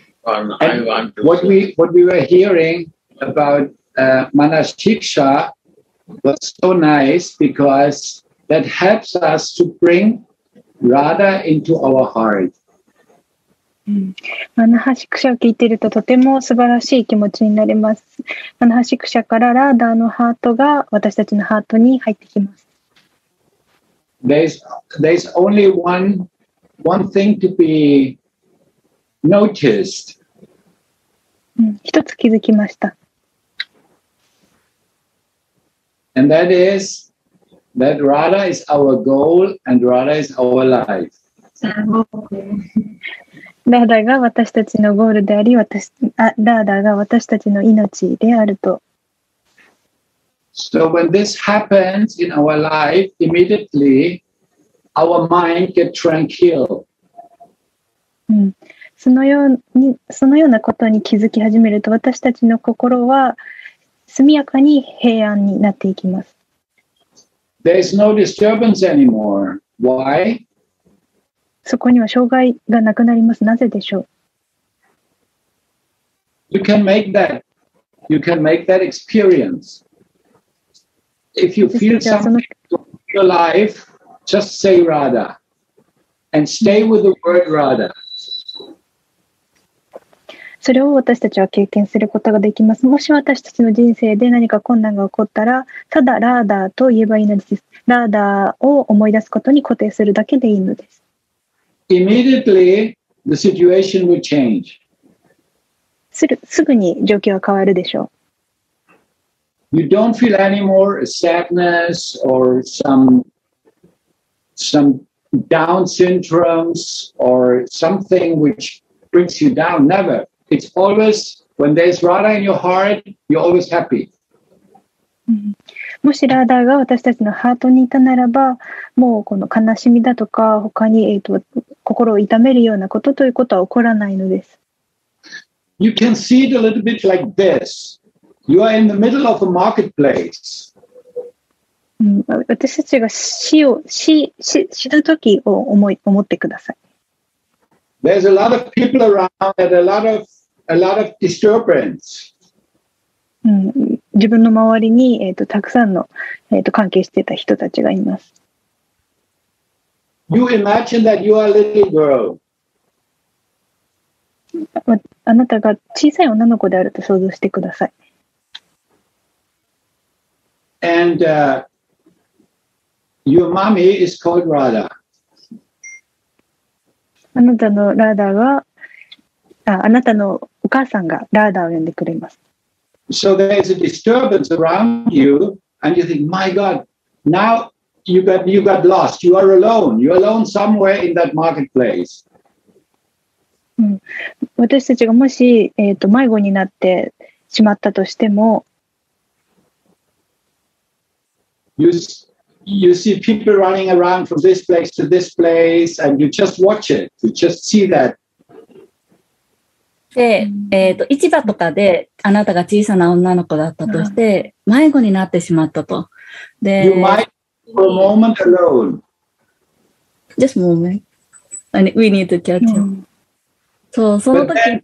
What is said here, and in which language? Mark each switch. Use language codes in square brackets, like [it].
[en] What we were hearing about Manashiksha was so nice because that helps us to bring Radha into our heart. [ja] マナハシクシャを聞いているととても素晴らしい気持ちになります。マナハシクシャからラーダーのハートが私たちのハートに入ってきます。 [en] There's only one thing to be noticed. [ja] 一つ気づきました。 [en] And that is that Radha is our goal and Radha is our life. [ja] ラーダが私たちのゴールであり、ラーダが私たちの命であると。 [en] So when this happens in our life, immediately our mind gets tranquil. [ja] そのようなことに気づき始めると、私たちの心は速やかに平安になっていきます。 [en] There is no disturbance anymore. Why? [ja] そこには障害がなくなります。なぜでしょう。 [en] You can make that experience. If you feel something in your life, just say Radha and stay with the word Radha. [ja] それを私たちは経験することができます。もし私たちの人生で何か困難が起こったら、ただラーダーと言えばいいのです。ラーダーを思い出すことに固定するだけでいいのです。 [en] Immediately, the situation will change. [ja] すぐに状況は変わるでしょう。 [en] You don't feel anymore sadness or some down syndromes or something which brings you down. Never. It's always when there's Radha in your heart, you're always happy. [ja] もしラーダーが私たちのハートにいたならば、もうこの悲しみだとか他に心を痛めるようなことということは起こらないのです。 [en] You can see it a little bit like this. You are in the middle of a marketplace. [ja] 私たちが死ぬ時を思ってください。 [en] There's a lot of people around and a lot of disturbance. [ja] 自分の周りに、たくさんの、関係していた人たちがいます。 [en] You imagine that you are a little girl. [ja] あなたが小さい女の子であると想像してください。 [en] And, your mommy is called Radha. [ja] あなたのラーダーは、あなたのお母さんがラーダーを呼んでくれます。 [en] So there's a disturbance around you, and you think, my God, now you got lost. You are alone. You're alone somewhere in that marketplace. [ja] 私たちがもし、迷子になってしまったとしても、 [en] you see people running around from this place to this place, and you just watch it. You just see that. [ja] で市場とかであなたが小さな女の子だったとして迷子になってしまったと。で、 [en] You might for a moment alone. Just a moment. And we need to catch up. [ja] そう、その時。